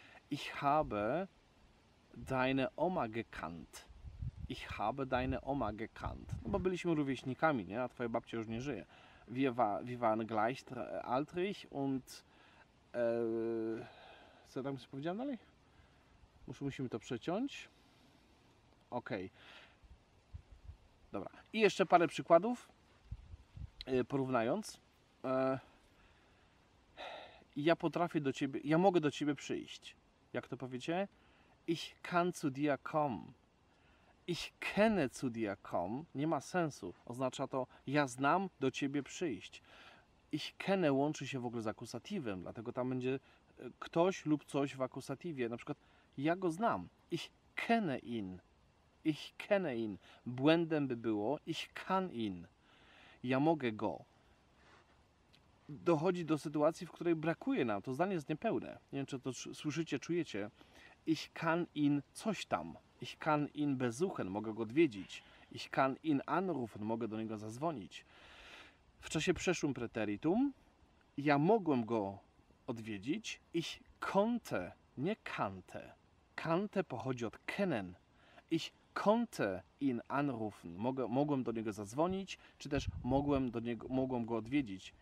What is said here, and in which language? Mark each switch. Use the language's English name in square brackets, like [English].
[German] Ich habe deine Oma gekannt. Ich habe deine Oma gekannt. [Polish] No bo byliśmy rówieśnikami, nie? A twoja babcia już nie żyje. [German] Wir waren gleichaltrig und... [Polish] co tam sobie powiedziałem dalej? Musimy to przeciąć. Okej. Okay. Dobra. I jeszcze parę przykładów. Porównając. Ja potrafię do ciebie... Ja mogę do ciebie przyjść. Jak to powiecie? [German] Ich kann zu dir kommen. [Polish] Ich kenne zu dir kommen [German] nie ma sensu. [Polish] Oznacza to, ja znam do ciebie przyjść. [German] Ich kenne [Polish] łączy się w ogóle z akusatywem, dlatego tam będzie ktoś lub coś w akusatywie. Na przykład, ja go znam. [German] Ich kenne ihn. Ich kenne ihn. [Polish] Błędem by było, [German] ich kann ihn. [Polish] Ja mogę go. Dochodzi do sytuacji, w której brakuje nam. To zdanie jest niepełne. Nie wiem, czy to słyszycie, czujecie. [German] Ich kann ihn [Polish] coś tam. [German] Ich kann ihn besuchen, [Polish] mogę go odwiedzić. [German] Ich kann ihn anrufen, [Polish] mogę do niego zadzwonić. W czasie przeszłym preteritum ja mogłem go odwiedzić. [German] Ich konnte, [Polish] nie kannte. Kannte pochodzi od kennen. [German] Ich konnte ihn anrufen, [Polish] mogłem do niego zadzwonić, czy też mogłem go odwiedzić.